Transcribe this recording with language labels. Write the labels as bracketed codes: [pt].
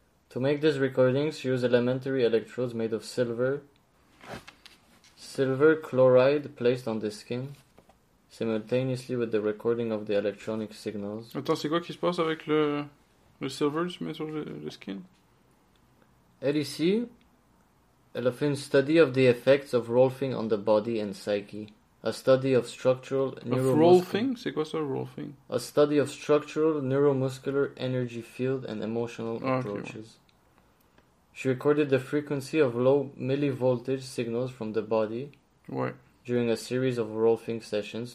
[en] To make these recordings, she used elementary electrodes made of silver chloride placed on the skin, simultaneously with the recording of the electronic signals. [fr] Attends, c'est quoi qui se passe avec le silver que tu mets sur le skin? [en] LEC. Elephant study of the effects of Rolfing on the body and psyche. A study of structural [fr] neuromuscular... Rolfing? C'est quoi ça, Rolfing? [en] A study of structural neuromuscular energy field and emotional approaches. Okay. She recorded the frequency of low millivoltage signals from the body during a series of Rolfing sessions.